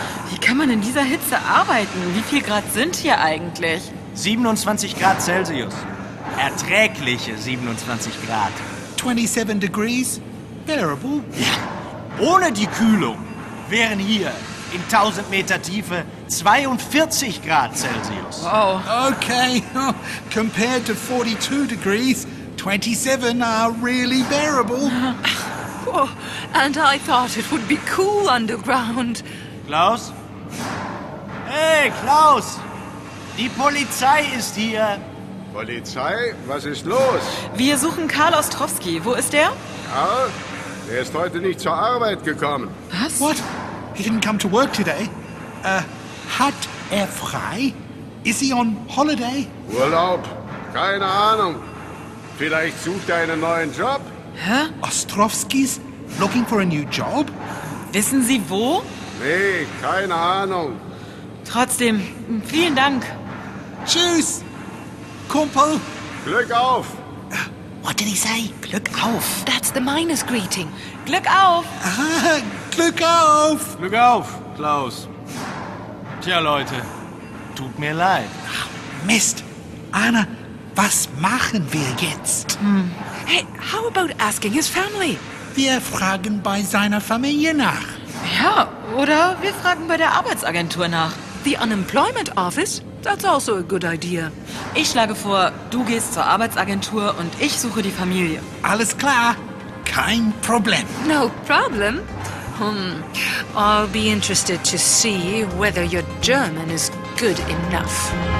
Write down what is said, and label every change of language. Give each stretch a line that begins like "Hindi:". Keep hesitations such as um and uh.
German: Wie kann man in dieser Hitze arbeiten? Wie viel Grad sind hier eigentlich? 27 Grad Celsius. Erträgliche 27 Grad.
English: 27 degrees? Bearable.
German: Ohne die Kühlung wären hier in 1000 Meter Tiefe 42 Grad Celsius.
English: Okay, compared to 42 degrees, 27 are really bearable. Whoa. And I thought it would be cool underground.
German: Klaus? Hey, Klaus! Die Polizei ist hier. Polizei, was ist los? Wir suchen Karl Ostrowski. Wo ist der? Karl, der ist heute nicht zur Arbeit gekommen. Was?
English: What? He didn't come to work today? Uh,
German: hat er frei?
English: Is he on holiday?
German: Urlaub? Keine Ahnung. Vielleicht sucht er einen neuen Job?
English: Ostrovsky's looking for a new job?
German: Wissen Sie wo? Nee, keine Ahnung. Trotzdem, vielen Dank. Tschüss! Kumpel! Glück auf!
English: What did he say?
German: Glück auf.
English: That's the miner's greeting.
German: Glück auf. Ah, Glück auf! Glück auf, Klaus. Tja, Leute, tut mir leid. Mist! Anna, was machen wir jetzt?
English: Hey, how about asking his family?
German: Wir fragen bei seiner Familie nach. Ja, oder wir fragen bei der Arbeitsagentur nach.
English: The unemployment office? That's also a good idea. Ich schlage vor, du gehst zur Arbeitsagentur und ich suche die Familie.
German: Alles klar, kein Problem.
English: No problem. Hmm. I'll be interested to see whether your German is good enough.